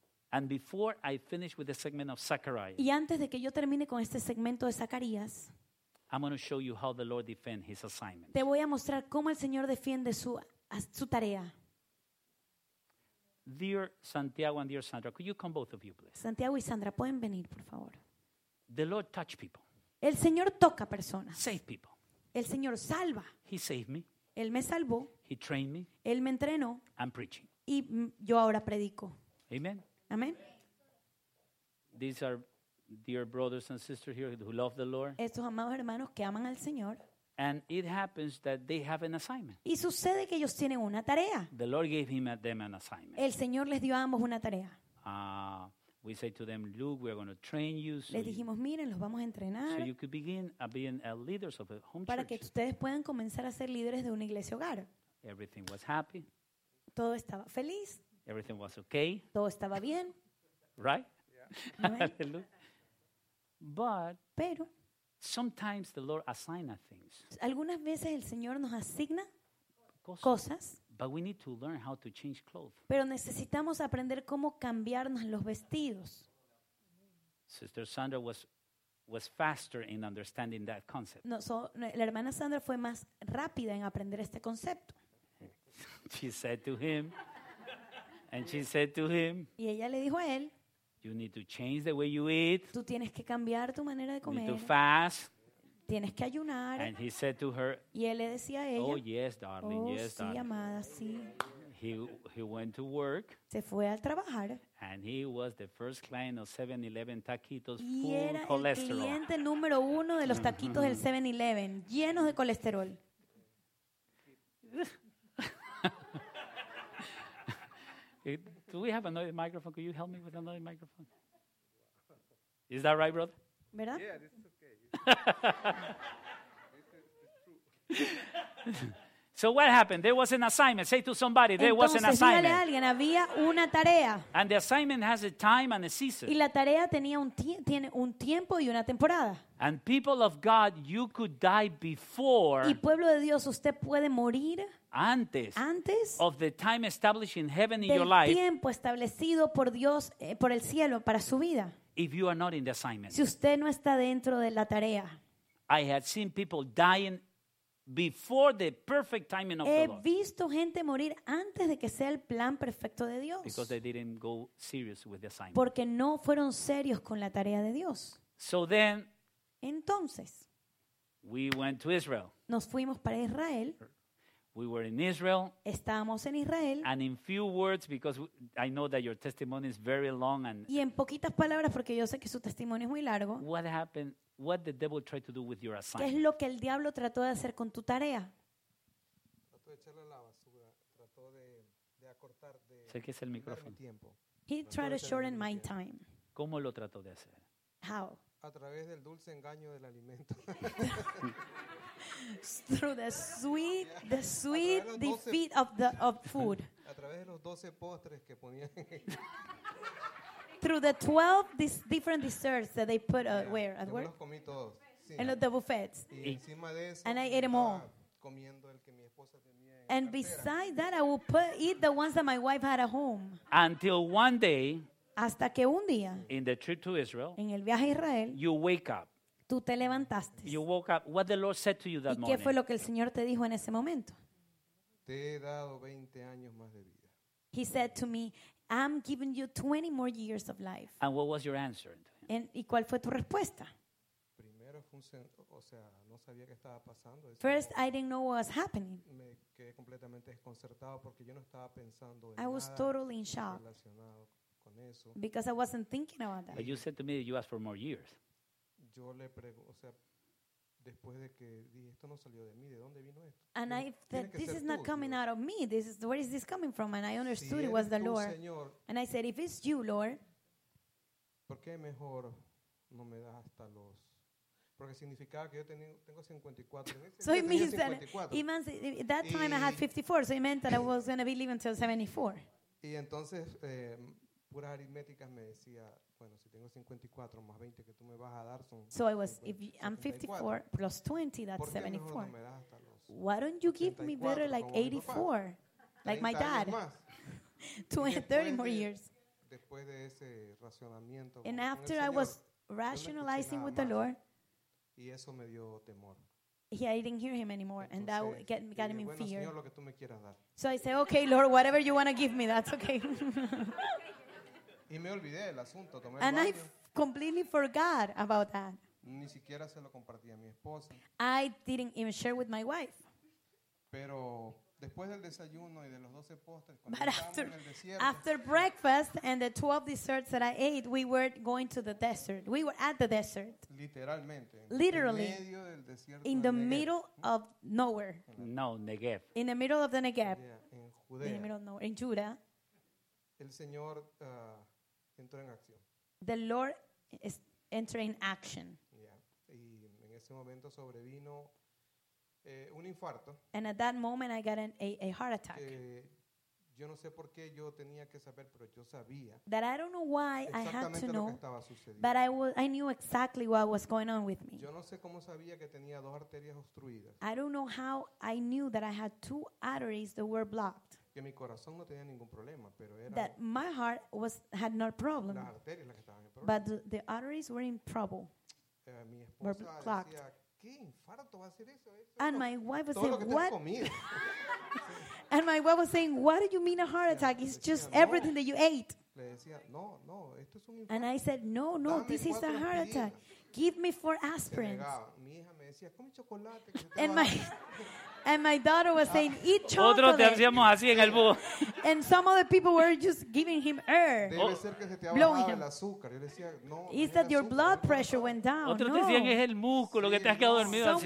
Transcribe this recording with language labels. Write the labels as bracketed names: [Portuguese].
[English] And before I finish with the segment of Zechariah. [Spanish] Y antes de que yo termine con este segmento de Zacarías. [English] I'm going to show you how the Lord defends his assignment. [Spanish] Te voy a mostrar cómo el Señor defiende su tarea. [English] Dear Santiago and dear Sandra, could you come both of you, please? [Spanish] Santiago y Sandra, pueden venir, por favor. [English] The Lord touch people. [Spanish] El Señor toca personas. [English] Save people. [Spanish] El Señor salva. [English] He saved me. [Spanish] Él me salvó. [English] He trained me. [Spanish] Él me entrenó. [English] I'm preaching. [Spanish] Y yo ahora predico. [English] Amen. [Spanish] Amen. [English] These are dear brothers and sisters here who love the Lord. [Spanish] Estos amados hermanos que aman al Señor. [English] And it happens that they have an assignment. [Spanish] Y sucede que ellos tienen una tarea. [English] The Lord gave them an assignment. [Spanish] El Señor les dio a ambos una tarea. [English] We say to them, "Look, we're going to train you." So [Spanish] les dijimos, miren, los vamos a entrenar. [English] So you could begin being leaders of a home church. [Spanish] Para que ustedes puedan comenzar a ser líderes de una iglesia hogar. [English] Everything was happy. [Spanish] Todo estaba feliz. [English] Everything was okay. [Spanish] Todo estaba bien. [English] Right? Yeah. But [Spanish] pero, [English] sometimes the Lord assigns things. [Spanish] Algunas veces el Señor nos asigna cosas. [English] But we need to learn how to change clothes. [Spanish] Pero necesitamos aprender cómo cambiarnos los vestidos. [English] Sister Sandra was faster in understanding that concept. [Spanish] No, la hermana Sandra fue más rápida en aprender este concepto. [English] She said to him, and she said to him. [Spanish] Y ella le dijo a él. [English] You need to change the way you eat. [Spanish] Tú tienes que cambiar tu manera de comer. [English] You need to fast. [Spanish] Tienes que ayunar. [English] And he said to her, [Spanish] y él le decía a ella. [English] Oh, yes, darling. Oh, yes, [Spanish] sí, [English] darling. [Spanish] Amada, sí. [English] He went to work. [Spanish] Se fue al trabajar. [English] And he was the first client of 7-Eleven taquitos full [Spanish] y era [English] cholesterol. [Spanish] El cliente número uno de los taquitos del 7-Eleven, llenos de colesterol. [English] Do we have another microphone? Could you help me with another microphone? Is that right, brother? [Spanish] ¿Verdad? [English] Yeah, this is okay. So what happened? There was an assignment. Say to somebody, there [Spanish] entonces, [English] was an assignment. [Spanish] Dígale a alguien, había una tarea. [English] And the assignment has a time and a season. [Spanish] Y la tarea tenía tiene un tiempo y una temporada. [English] And people of God, you could die before. [Spanish] Y pueblo de Dios, usted puede morir. [English] Antes of the time established in heaven in [Spanish] del [English] your life. [Spanish] Tiempo establecido por Dios por el cielo para su vida. [English] If you are not in the assignment. [Spanish] Si usted no está dentro de la tarea. [English] I had seen people dying before the perfect timing of the Lord. [Spanish] He visto gente morir antes de que sea el plan perfecto de Dios. [English] Because they didn't go serious with the assignment. [Spanish] Porque no fueron serios con la tarea de Dios. [English] So then, [Spanish] entonces, [English] we went to Israel. [Spanish] Nos fuimos para Israel. [English] We were in Israel. [Spanish] Estábamos en Israel. [English] And in few words, because I know that your testimony is very long. And [Spanish] y en poquitas palabras, porque yo sé que su testimonio es muy largo. [English] What happened? What the devil tried to do with your assignment? [Spanish] ¿Qué es lo que el diablo trató de hacer con tu tarea? Trató de echarle la basura. Trató de acortar. Sé que es el micrófono. [English] He tried to shorten my time. [Spanish] ¿Cómo lo trató de hacer? [English] How? [Spanish] A través del dulce engaño del alimento. [English] Through the sweet defeat of food. [Spanish] A través de los 12 postres que ponían. [English] Through the 12 different desserts that they put where at work. [Spanish] Los comí todos. [English] And the buffets. [Spanish] Y encima de eso. [English] And I ate them all. [Spanish] Comiendo el que mi esposa tenía. [English] And beside that, I would eat the ones that my wife had at home. Until one day. [Spanish] Hasta que un día. [English] In the trip to Israel. [Spanish] En el viaje a Israel. [English] You wake up. [Spanish] Tú te levantaste. [English] You woke up. What the Lord said to you that morning. [Spanish] ¿Y qué fue lo que el Señor te dijo en ese momento? Te he dado 20 años más de vida. [English] He said to me, I'm giving you 20 more years of life. And what was your answer? [Spanish] ¿Y cuál fue tu respuesta? Primero fue un centro, o sea, no sabía qué estaba pasando. [English] First, I didn't know what was happening. [Spanish] Me quedé completamente desconcertado porque yo no estaba pensando en [English] nada. I was totally in shock. [Spanish] Relacionado con eso. [English] Because I wasn't thinking about that. But you said to me that you asked for more years. [Spanish] Yo le pregunto, o sea, después de que dije, esto no salió de mí, ¿de dónde vino esto? [English] And I said, this is not coming out of me. This is, where is this coming from? And I understood it was the Lord. [Spanish] Señor, [English] and I said, if it's you, Lord, [Spanish] ¿por qué mejor no me das hasta los? Porque significaba que yo tengo 54. [English] So it means that that time I had 54, so it meant that I was going to be living till 74. [Spanish] Y entonces puras aritméticas me decía, bueno, si tengo 54 más 20 que tú me vas a dar son. [English] So I was, if I'm 54 plus 20, that's 74. [Spanish] ¿Por qué mejor no me das hasta los? [English] Why don't you give me better like 84, like my dad? 30 more years. [Spanish] Después de ese racionamiento. [English] And after I was rationalizing with the Lord. [Spanish] Y eso me dio temor. [English] Yeah, I didn't hear him anymore, and that got him in fear. [Spanish] Señor, lo que tú me quieras dar. [English] So I said, okay, Lord, whatever you want to give me, that's okay. [Spanish] Y me olvidé del asunto. Tomé [English] and [Spanish] el baño. [English] I completely forgot about that. [Spanish] Ni siquiera se lo compartí a mi esposa. [English] I didn't even share with my wife. [Spanish] Pero después del desayuno y de los 12 postres, [English] but after breakfast and the 12 desserts that I ate, we were going to the desert. We were at the desert. [Spanish] Literalmente. [English] Literally. [Spanish] En medio del desierto. [English] In the Negev. Middle of nowhere. No, Negev. In the middle of the Negev. [Spanish] Yeah, en Judea. [English] In the middle of nowhere. In Judah. [Spanish] El Señor entró en acción. [English] The Lord is entering action. [Spanish] Yeah. Y en ese momento sobrevino un infarto. [English] And at that moment I got a heart attack. [Spanish] Yo no sé por qué yo tenía que saber, pero yo sabía. [English] That I don't know why I had to know. [Spanish] Exactamente lo que estaba sucediendo. [English] But I knew exactly what was going on with me. [Spanish] Yo no sé cómo sabía que tenía dos arterias obstruidas. [English] I don't know how I knew that I had two arteries that were blocked. [Spanish] Que mi corazón no tenía ningún problema, pero era [English] that my heart had no problem. [Spanish] Las arterias las que estaban en problema. [English] But the arteries were in trouble. [Spanish] Mi esposa decía, ¿qué infarto va a ser eso? [English] And my wife was saying, what? And my wife was saying, what do you mean a heart attack? It's just everything that you ate. [Spanish] Le decía, no, no, esto es un infarto. [English] And I said, no, no, this is a heart attack. Give me 4 aspirins. [Spanish] Mi hija me decía, come chocolate. [English] And my daughter was saying, eat chocolate. [Spanish] Otros te hacíamos así en el bus. [English] And some other people were just giving him air. [Spanish] Debe ser que se te ha bajado el azúcar. Yo decía, no. [English] Is that your blood pressure went down? [Spanish] Otros te decían, es el músculo que te has quedado dormido así.